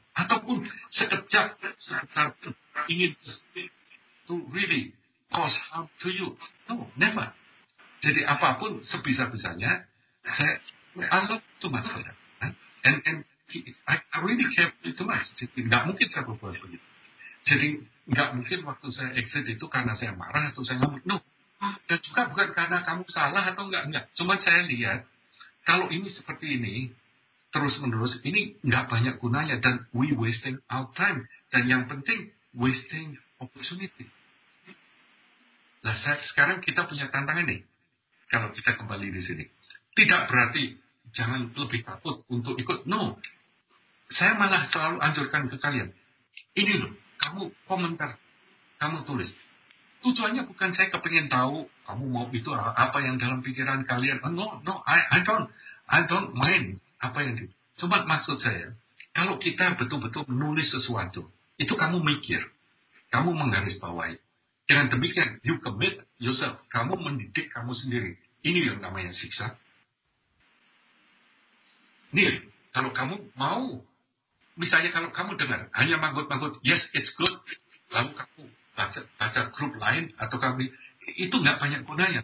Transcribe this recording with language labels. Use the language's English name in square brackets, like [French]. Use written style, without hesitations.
[Indonesian] Ataupun sekejap, ingin [English] to really cause harm to you. No, never. [Indonesian] Jadi apapun sebisa-bisanya, saya [English] I love too much for that. And I really care too much. [Indonesian] Jadi nggak mungkin saya berbuat begitu. Jadi nggak mungkin waktu saya exit itu karena saya marah atau saya ngomong. No. Dan juga bukan karena kamu salah atau nggak. Cuma saya lihat kalau ini seperti ini terus menerus, ini nggak banyak gunanya dan [English] we wasting our time [Indonesian] dan yang penting [English] wasting opportunity. [Indonesian] Nah sekarang kita punya tantangan nih. Kalau kita kembali di sini. Tidak berarti jangan lebih takut untuk ikut. No. Saya malah selalu anjurkan ke kalian. Ini loh. Kamu komentar. Kamu tulis. Tujuannya bukan saya kepengen tahu. Kamu mau itu apa yang dalam pikiran kalian. No. [English] I don't mind. [Indonesian] Apa yang di. Cuma maksud saya. Kalau kita betul-betul menulis sesuatu. Itu kamu mikir. Kamu menggarisbawahi. Dengan demikian, [English] you commit yourself. [Indonesian] Kamu mendidik kamu sendiri. Ini yang namanya siksa. Nih, kalau kamu mau, misalnya kalau kamu dengar, hanya manggut-manggut, [English] yes, it's good. [Indonesian] Lalu kamu baca grup lain, atau kami, itu nggak banyak gunanya.